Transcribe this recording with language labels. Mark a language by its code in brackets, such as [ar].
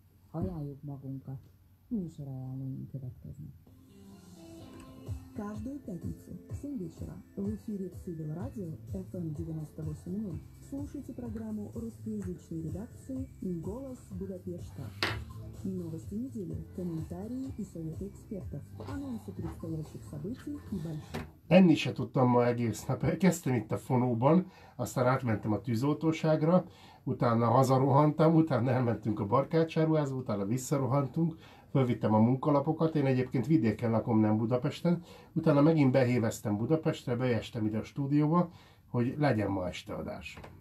[hu] Ajánljuk magunkat, műsor ajánlóink következnek. [ru] Каждую пятницу в 7 вечера в эфире Civil Radio FM98.0 слушайте программу русскоязычной редакции «Голос Будапешта». Новости недели, комментарии и советы экспертов, анонсы предстоящих событий и больше. [hu] Enni se tudtam ma egész nap. Kezdtem itt a fonóban, aztán átmentem a tűzoltóságra, utána hazarohantam, utána elmentünk a barkácsáruházba, utána visszarohantunk, fölvittem a munkalapokat, én egyébként vidéken lakom, nem Budapesten, utána megint behéveztem Budapestre, beestem ide a stúdióba, hogy legyen ma este adás.